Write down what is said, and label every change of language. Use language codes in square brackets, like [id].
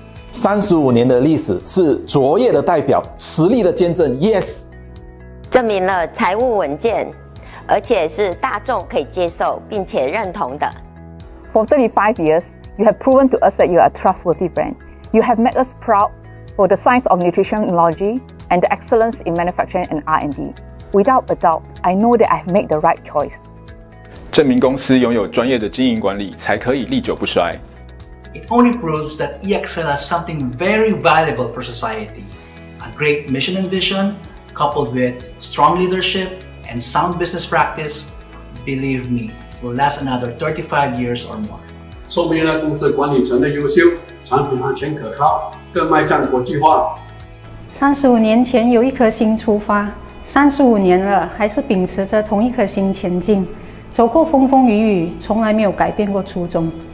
[zh] 35年的历史是卓越的代表，实力的见证。 [en] Yes， [zh] 证明了财务稳健，而且是大众可以接受并且认同的。 [en] For 35 years, you have proven to us that you are a trustworthy brand. You have made us proud for the science of nutrition technology and the excellence in manufacturing and R&D. Without a doubt, I know that I have made the right choice. [zh] 证明公司拥有专业的经营管理，才可以历久不衰。 [en] It only proves that EXL has something very valuable for society. A great mission and vision, coupled with strong leadership and sound business practice, believe me, will last another 35 years or more. [zh] 说明了公司管理层的优秀，产品安全可靠，更迈向国际化。 35年前有一颗心出发，35年了，还是秉持着同一颗心前进，走过风风雨雨，从来没有改变过初衷。